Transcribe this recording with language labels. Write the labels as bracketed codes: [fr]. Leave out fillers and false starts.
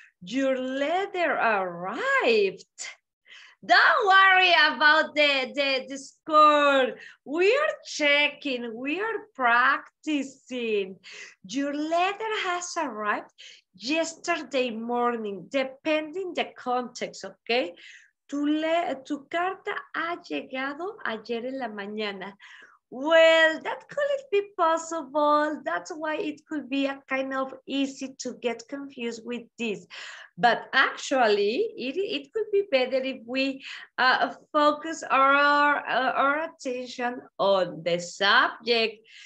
[en] Your letter arrived. Don't worry about the score. We are checking. We are practicing. Your letter has arrived yesterday morning, depending the context, okay? [es] Tu carta ha llegado ayer en la mañana. [en] Well, that could it be possible. That's why it could be a kind of easy to get confused with this. But actually, it could be better if we focus our attention on the subject.